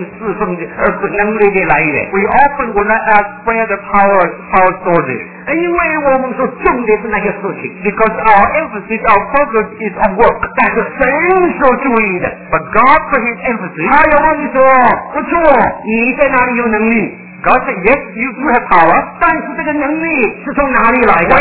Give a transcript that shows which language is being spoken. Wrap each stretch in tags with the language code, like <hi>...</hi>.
<zh>我们看见我们往往不问侍奉的能力的来源,</zh> <en>we often will not ask where the power source is,</en> <zh>因为我们所重的是那些事情,</zh> <en>because our emphasis, our focus is on work.</en> <zh>但是神所注意的,</zh> <en>but God put his emphasis,</en> <zh>他要问你说不错你在哪里有能力,</zh> <en>God said, yes, you do have power.</en> <zh>但是这个能力是从哪里来的?</zh>